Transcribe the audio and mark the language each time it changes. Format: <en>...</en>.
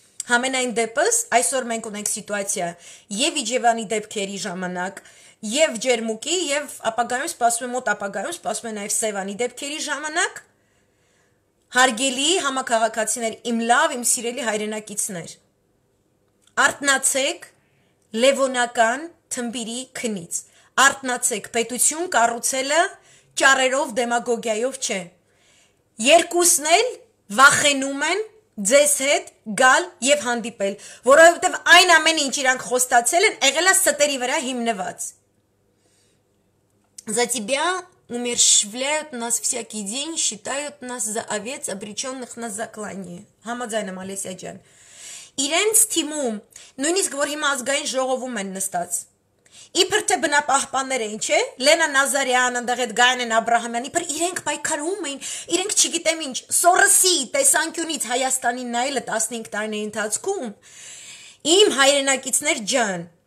<hy>Համենայն դեպս այսօր մենք ունենք սիտուացիա եւ Իջևանի դեպքերի ժամանակ, եւ Ջերմուկի, եւ ապագայում սպասում են, մոտ ապագայում սպասում են նաեւ Սևանի դեպքերի ժամանակ, հարգելի համակարգացիներ, իմ լավ, իմ սիրելի հայրենակիցներ, արտնացեք լևոնական թմբիրի քնից, արտնացեք, պետություն կառուցելը ճառերով, դեմագոգիայով չէ, երկուսն էլ վախենում են ձեզ հետ գալ և հանդիպել, որովհետև այն ամեն ինչ իրանք խոստացել են, եղել է ստերի վրա հիմնված.</hy> <ru>За тебя умерщвляют нас всякий день, считают нас за овец, обречённых на заклание.</ru> <hy>Համաձայնը Մալեսիա ջան. Իրենց թիմում, նույնիսկ որ հիմա ազգային ժողովում են նստած, իբր թե բնապահպաններ են, չէ՞, Լենա Նազարյան, ընդդեղ Գայանեն Աբրահամյան, իբր իրենք պայքարում էին, իրենք չգիտեմ ինչ, Սորսի տեսանկյունից Հայաստանի նայելը 15 տարիների ընթացքում, իմ հայրենակիցներ ջան,</hy>